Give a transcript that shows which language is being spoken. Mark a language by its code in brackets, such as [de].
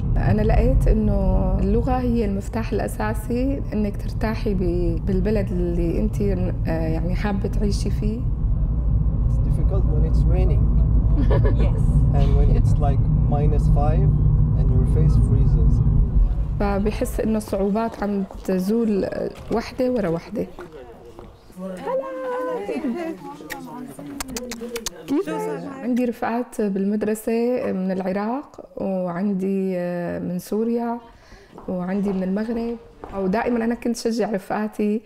[ar] أنا لقيت إنه اللغة هي المفتاح الأساسي إنك ترتاحي بالبلد اللي أنت يعني حابة تعيشي فيه. [en] It's difficult when it's raining. Yes. And when it's like -5 and your face freezes. [ar] فبحس إنه الصعوبات عم تزول واحدة ورا واحدة. هلا. عندي رفقات بالمدرسة من العراق وعندي من سوريا وعندي من المغرب، ودائما أنا كنت شجع رفقاتي.